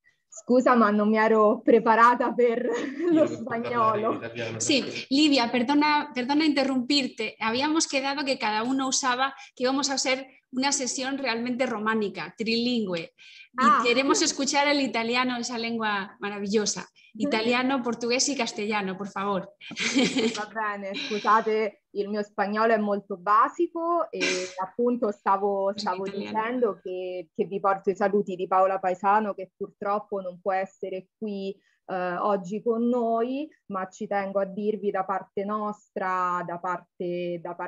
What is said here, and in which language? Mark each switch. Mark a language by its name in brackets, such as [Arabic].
[Italian] Scusa, ma non mi ero preparata per lo spagnolo. [Spanish] Sí, Livia, perdona interrumpirte. Habíamos quedado que cada uno usaba, que íbamos a hacer una sesión realmente románica, trilingüe. Y queremos escuchar el italiano, esa lengua maravillosa. Italiano, portugués y castellano, por favor. [Italian] Va bene, scusate, il mio spagnolo è molto basico e appunto stavo dicendo che vi porto i saluti di Paola Paisano, che purtroppo non può essere qui oggi con noi, ma ci tengo a dirvi da parte nostra, da parte